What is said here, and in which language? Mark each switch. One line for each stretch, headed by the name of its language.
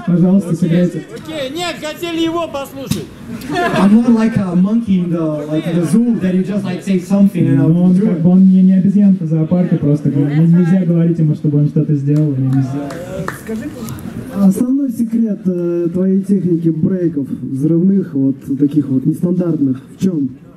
Russian: Пожалуйста, okay, сыграйте. Окей, okay. Нет, хотели его послушать.
English: I'm not like a monkey in the, like the zoo, that you just like say something and I'll do it.
Russian: Как бы он не обезьянка зоопарка, просто нельзя говорить ему, чтобы он что-то сделал. Скажи, основной секрет твоей техники брейков, взрывных, вот таких вот нестандартных, в чем?